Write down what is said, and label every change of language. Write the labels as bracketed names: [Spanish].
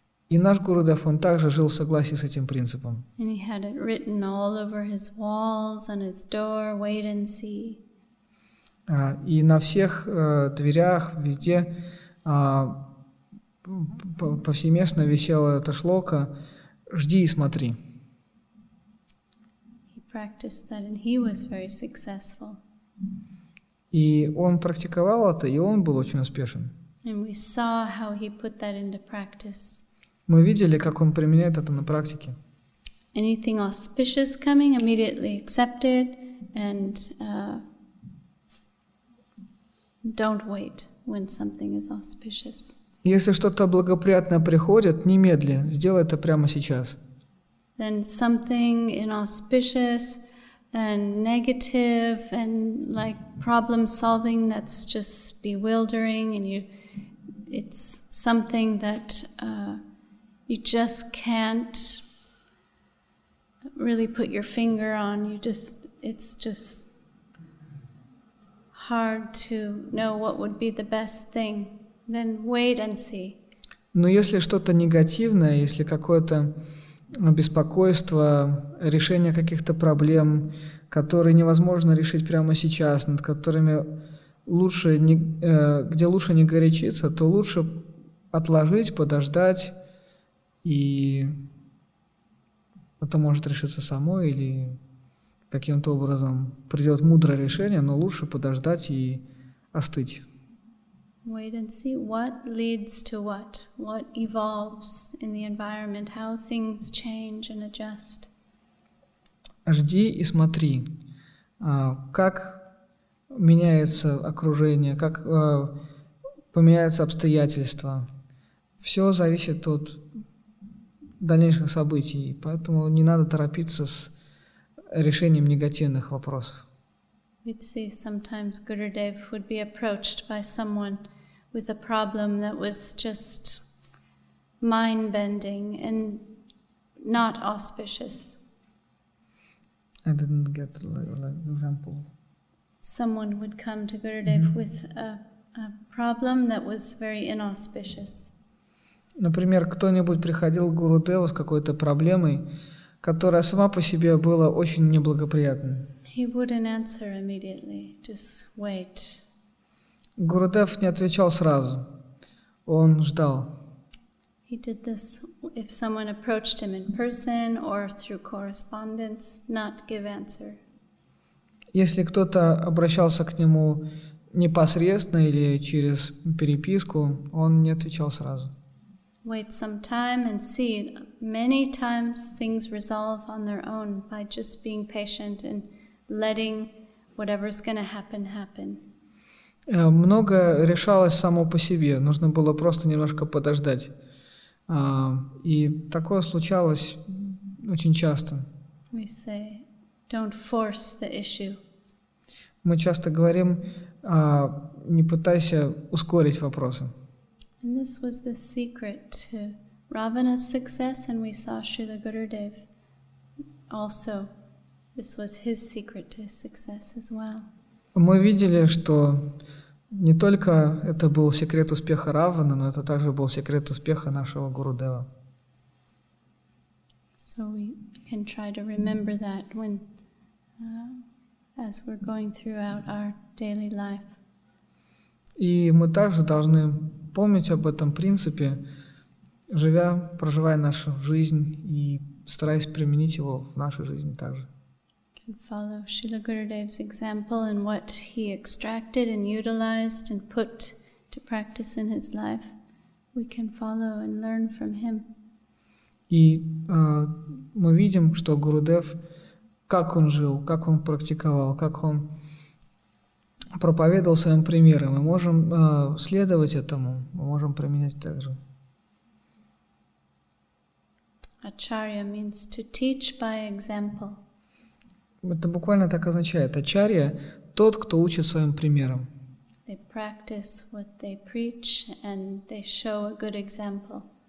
[Russian] И наш Гурудев, он также жил в согласии с этим принципом. [English] And he had it written all over his walls, on his door, wait and see. [Russian] И на всех дверях, везде, повсеместно висела эта шлока «Жди и смотри». [English] practiced that, and he was very successful. [Russian] И он практиковал это, и он был очень успешен. [English] And we saw how he put that into practice. [Russian] Мы видели, как он применяет это на практике. [English] Anything auspicious coming, immediately accepted, and don't wait when something is auspicious. [Russian] Если что-то благоприятное приходит, немедля, сделай это прямо сейчас. [English] Then something inauspicious and negative and like problem solving that's just bewildering and it's something that you just can't really put your finger on. It's just hard to know what would be the best thing. Then wait and see. [Russian] Но если что-то негативное, если какое-то беспокойство, решение каких-то проблем, которые невозможно решить прямо сейчас, над которыми лучше не, где лучше не горячиться, то лучше отложить, подождать, и это может решиться само или каким-то образом придет мудрое решение, но лучше подождать и остыть. [English] Wait and see what leads to what, what evolves in the environment, how things change and adjust. [Russian] Жди и смотри, как меняется окружение, как поменяются обстоятельства. Все зависит от дальнейших событий, поэтому не надо торопиться с решением негативных вопросов. [English] We'd see sometimes Gurudev would be approached by someone with a problem that was just mind-bending and not auspicious. I didn't get like example. Someone would come to Gurudev mm-hmm. with a problem that was very inauspicious. [Russian] Например, кто-нибудь приходил к Гурудеву с какой-то проблемой, которая сама по себе была очень неблагоприятной. [English] He wouldn't answer immediately, just wait. [Russian] Гурудев не отвечал сразу. Он ждал. [English] He did this if someone approached him in person or through correspondence, not give answer. [Russian] Если кто-то обращался к нему непосредственно или через переписку, он не отвечал сразу. [English] Wait some time and see. Many times things resolve on their own by just being patient and letting whatever's going to happen happen. [Russian] Многое решалось само по себе, нужно было просто немножко подождать. И такое случалось очень часто. [English] We say, don't force the issue. [Russian] Мы часто говорим, не пытайся ускорить вопросы. [English] And this was the secret to Ravana's success, and we saw Srila Gurudev also. This was his secret to success as well. [Russian] Мы видели, что не только это был секрет успеха Равана, но это также был секрет успеха нашего Гурудева. [English] So we can try to remember that when, as we're going throughout our daily life. [Russian] И мы также должны помнить об этом принципе, живя, проживая нашу жизнь и стараясь применить его в нашей жизни также. [English] And follow Srila Gurudev's example and what he extracted and utilized and put to practice in his life. We can follow and learn from him. [Russian] И мы видим, что Гурудев, как он жил, как он практиковал, как он проповедовал своим примером. Мы можем следовать этому, мы можем применять так же. [English] Acharya means to teach by example. [Russian] Это буквально так означает. Ачарья – тот, кто учит своим примером. [English] They practice what they preach and they show a good example.